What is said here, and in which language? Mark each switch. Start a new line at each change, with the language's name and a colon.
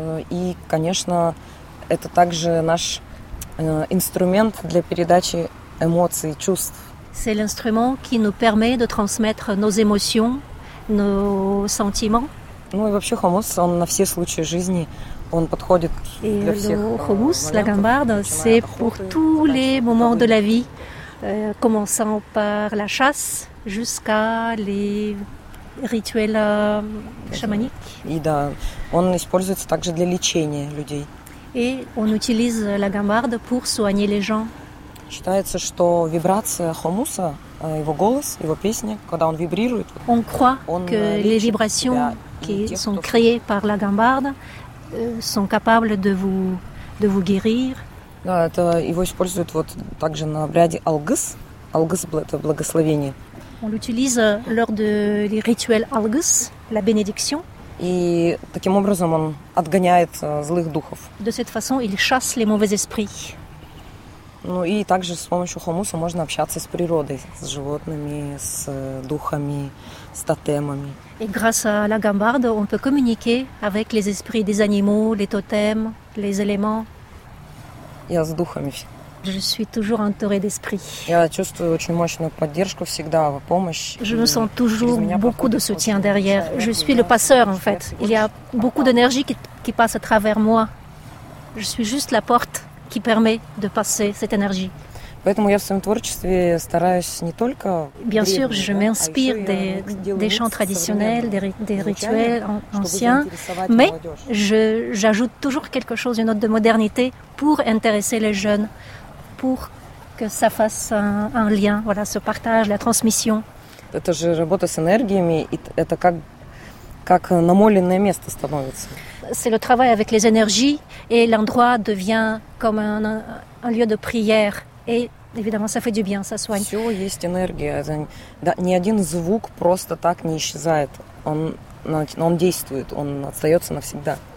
French: Et,
Russian: конечно, это также наш инструмент для передачи эмоций, чувств.
French: C'est l'instrument qui nous permet de transmettre nos émotions, nos sentiments.
Russian: Ну и вообще хомус, он на все случаи жизни, он подходит
French: et
Russian: для всех.
French: Хомус, la guimbarde, c'est pour tous les moments de la vie, commençant par la chasse jusqu'à les rituels chamaniques.
Russian: И да, он используется также для лечения людей.
French: Et on utilise la guimbarde pour soigner les gens.
Russian: Считается, что вибрация хомуса, его голос, его песня, когда он вибрирует,
French: on croit que les vibrations qui sont créées par la guimbarde sont capables de vous guérir.
Russian: Да, это его используют вот также на обряде алгыс. Алгыс – это благословение.
French: On l'utilise lors de les rituels алгыс, la bénédiction.
Russian: И таким образом он отгоняет злых духов.
French: De cette façon, il chasse les mauvais esprits.
Russian: Ну и также с помощью хомуса можно общаться с природой, с животными, с духами, с тотемами.
French: Et grâce à la guimbarde, on peut communiquer avec les esprits des animaux, les totems, les éléments.
Russian: Я с духами.
French: Je suis toujours entourée d'esprits.
Russian: Я чувствую очень мощную поддержку всегда, помощь.
French: Je me sens toujours beaucoup de soutien derrière. Je suis le passeur en fait. Il y a beaucoup d'énergie qui passe à travers moi. Je suis juste la porte. Qui permet de passer cette énergie.
Russian: Поэтому я в своем творчестве стараюсь не только.
French: Bien sûr, je m'inspire des chants traditionnels, des rituels anciens, mais j'ajoute toujours quelque chose, une note de modernité, pour intéresser les jeunes, pour que ça fasse un lien, voilà, ce partage, la transmission.
Russian: Это же работа с энергиями, и это как намоленное место становится.
French: C'est le travail avec les énergies et l'endroit devient comme un lieu de prière. Et évidemment, ça fait du bien, ça soigne.
Russian: Всё есть энергия. Ни один звук просто так не исчезает. Он действует, он остаётся навсегда.